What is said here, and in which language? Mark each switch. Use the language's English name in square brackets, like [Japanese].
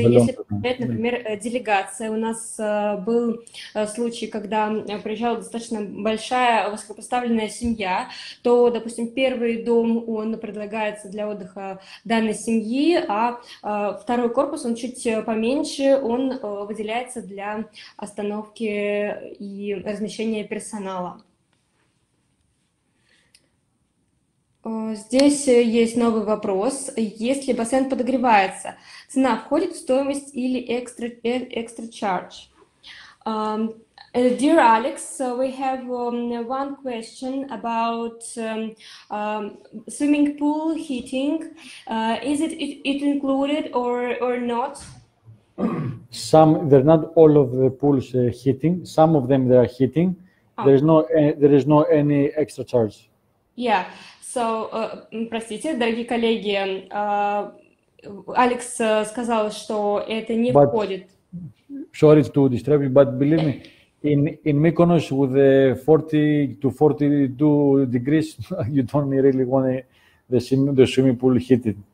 [Russian] Если приезжает, например, делегация. У нас был случай, когда приезжала достаточно большая высокопоставленная семья, то, допустим, первый дом он предлагается для отдыха данной семьи, а второй корпус, он чуть поменьше, он выделяется для остановки и размещения персонала. Здесь есть новый вопрос. Если бассейн подогревается, цена входит в стоимость или [English] extra charge? Dear Alex, we have one question about swimming pool heating. Is it included or not? Some, they're not all of the pools heating. Some of them they are heating. There is no any extra charge. Yeah. [Russian] So, простите, дорогие коллеги, Алекс сказал, что это не входит. [English] Sorry to disturb you, but believe me, in Mykonos with the 40 to 42 degrees, you don't really want the swimming pool heated.